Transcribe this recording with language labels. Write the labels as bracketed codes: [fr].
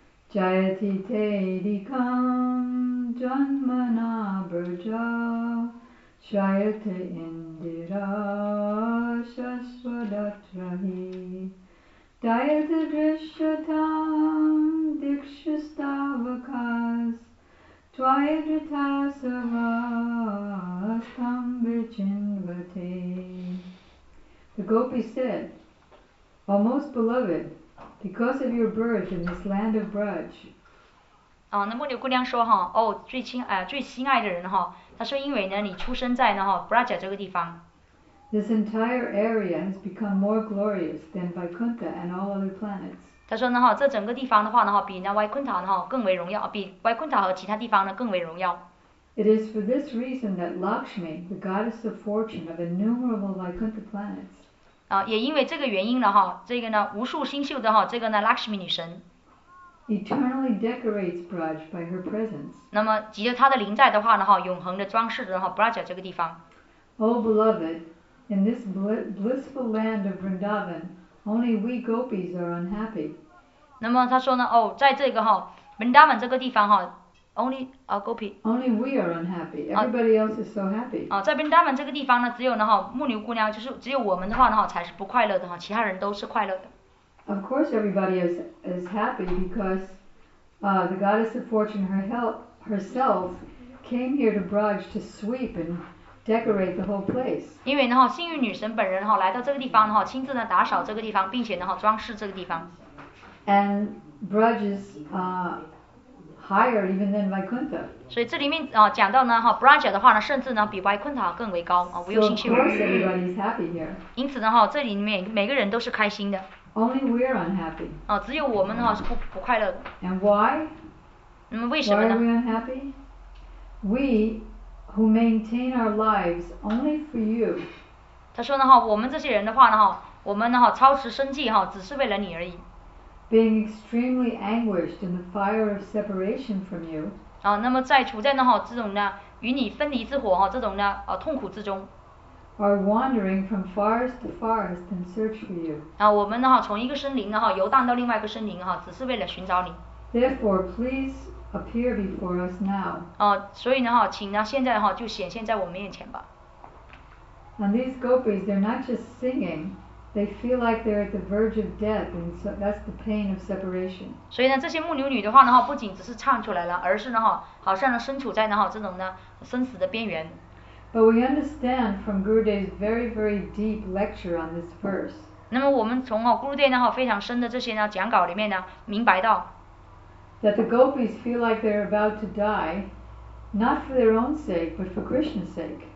[sa] Jayati Te Dikam Janmana Braja Shayate Indira Shaswadatrahi Dayate Drishyatam Dikshastavakas Twayadritasavastam Vichinvate. [en] The gopis said, O most beloved, because of your birth in this land of Braj, [zh] 啊，那牧牛姑娘说哈，哦，最亲啊，最心爱的人哈，她说因为呢，你出生在呢哈 Braj 这个地方。 [en] This entire area has become more glorious than Vaikuntha and all other planets. [zh] 她说呢哈，这整个地方的话呢哈，比那 Vaikuntha 呢哈更为荣耀，比 Vaikuntha 和其他地方呢更为荣耀。 [en] It is for this reason that Lakshmi, the goddess of fortune of innumerable Vaikuntha planets. [zh] 啊，也因为这个原因呢哈，这个呢无数星宿的哈，这个呢 Lakshmi 女神。 [en] Eternally decorates Braj by her presence. [zh] 那么，藉着她的临在的话呢哈，永恒的装饰着哈 Braj 这个地方。 [en] Oh beloved, in this blissful land of Vrindavan, only we gopis are unhappy. [zh] 那么她说呢，哦，在这个哈 Vrindavan 这个地方哈。 [en] Only we are unhappy. Everybody else is so happy. [zh] 啊，在槟达曼这个地方呢，只有呢哈牧牛姑娘，就是只有我们的话呢哈才是不快乐的哈，其他人都是快乐的。 [en] Of course, everybody is happy because, the goddess of fortune herself came here to Braj to sweep and decorate the whole place. [zh] 因为呢哈，幸运女神本人哈来到这个地方哈，亲自呢打扫这个地方，并且呢哈装饰这个地方。 [en] And Braj's higher even than Vaikuntha. [zh] 所以这里面啊讲到呢哈 ，Braj 的话呢，甚至呢比 Vaikuntha 更为高啊，无有星宿。 [en] So of course everybody is happy here. [zh] 因此呢哈，这里面每个人都是开心的。 [en] Only we are unhappy. [zh] 啊，只有我们哈是不快乐的。 [en] And why? [zh] 那么为什么呢 [en] ？Why are we unhappy? We who maintain our lives only for you. [zh] 他说呢哈，我们这些人的话呢哈，我们呢哈操持生计哈，只是为了你而已。 [en] Being extremely anguished in the fire of separation from you. [zh] 啊，那么在处在呢哈这种呢与你分离之火哈这种呢啊痛苦之中。 [en] Are wandering from forest to forest in search for you. [zh] 啊，我们呢哈从一个森林呢哈游荡到另外一个森林哈，只是为了寻找你。 [en] Therefore, please appear before us now. [zh] 啊，所以呢哈，请呢现在哈就显现在我们面前吧。 [en] And these gopis, they're not just singing. They feel like they're at the verge of death, and so that's the pain of separation. [zh] 所以呢，这些牧牛女的话呢，哈，不仅只是唱出来了，而是呢，哈，好像呢，身处在呢，哈，这种呢，生死的边缘。 [en] But we understand from Gurudev's very, very deep lecture on this verse. [zh] 那么我们从哦 ，Gurudev 呢，哈，非常深的这些呢讲稿里面呢，明白到 [en] that the gopis feel like they're about to die, not for their own sake, but for Krishna's sake.